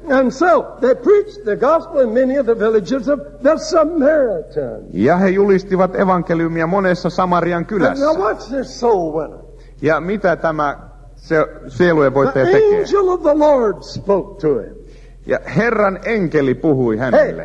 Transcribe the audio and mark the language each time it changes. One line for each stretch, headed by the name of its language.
English: And so they preached the gospel in many of the villages of the Samaritans.
Finnish: Ja he julistivat evankeliumia monessa Samarian kylässä.
English: Now watch this soul winner.
Finnish: Ja mitä tämä sielujen voittaja tekee?
English: The angel of the Lord spoke to him.
Finnish: Ja Herran enkeli puhui hänelle.